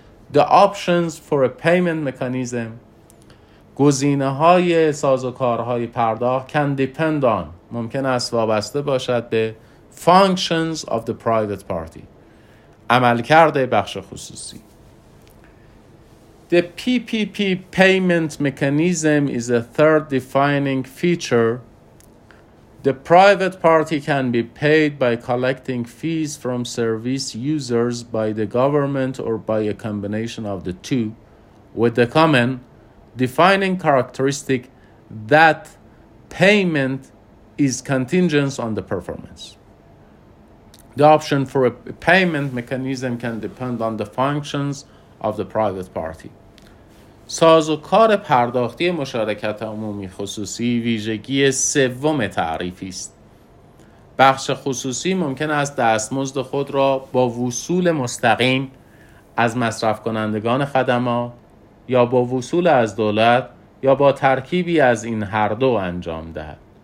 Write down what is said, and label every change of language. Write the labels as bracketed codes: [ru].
[en] The options for a payment mechanism، [fa] گزینه های سازوکارهای پرداخت، [en] can depend on، [fa] ممکن است وابسته باشد به [en] functions of the private party، [fa] عمل کرده بخش خصوصی. [en] The PPP payment mechanism is a third defining feature. The private party can be paid by collecting fees from service users by the government or by a combination of the two, with the common defining characteristic that payment is contingent on the performance. The option for a payment mechanism can depend on the functions of the private party. [fa] سازوکار پرداختی مشارکت عمومی خصوصی ویژگی سوم تعریفی است. بخش خصوصی ممکن است دستمزد خود را با وصول مستقیم از مصرف کنندگان خدمات یا با وصول از دولت یا با ترکیبی از این هر دو انجام دهد.